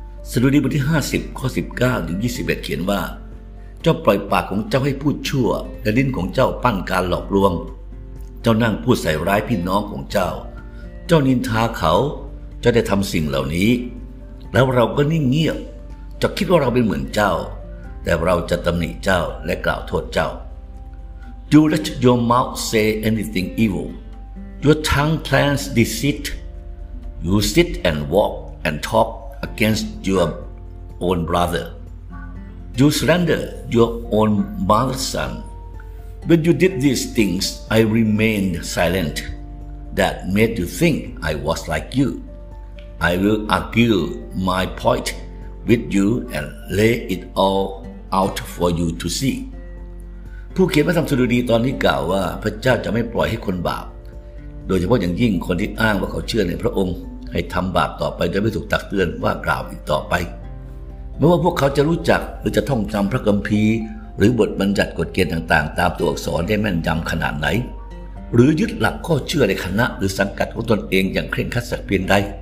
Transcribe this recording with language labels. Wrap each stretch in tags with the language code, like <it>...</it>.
<th>สดุดีบทที่50ข้อ19ถึง21เขียนว่าเจ้าปล่อยปากของเจ้าให้พูดชั่วและลิ้นของเจ้าปั้นการหลอกลวงเจ้านั่งพูดใส่ร้ายพี่น้องของเจ้าเจ้านินทาเขาเจ้าได้ทำสิ่งเหล่านี้แล้วเราก็นิ่งเงียบจะคิดว่าเราเป็นเหมือนเจ้าแต่เราจะตำหนิเจ้าและกล่าวโทษเจ้า</th> <en>Do let your mouth say anything evil. Your tongue plans deceit. You sit and walk and talk against your own brother. You slander your own mother's son. When you did these things, I remained silent. That made you think I was like you. I will argue my point with you and lay it all out for you to see.</en> <th>ผู้เขียนพระธรรมสดุดีตอนนี้กล่าวว่าพระเจ้าจะไม่ปล่อยให้คนบาปโดยเฉพาะอย่างยิ่งคนที่อ้างว่าเขาเชื่อในพระองค์ให้ทำบาปต่อไปโดยไม่ถูกตักเตือนว่ากล่าวอีกต่อไปไม่ว่าพวกเขาจะรู้จักหรือจะท่องจำพระคัมภีร์หรือบทบัญญัติกฎเกณฑ์ต่างๆตามตัวอักษรได้แม่นยำขนาดไหนหรือยึดหลักข้อเชื่อในคณะหรือสังกัดของตนเองอย่างเคร่งครัดสักเพียงใด</th>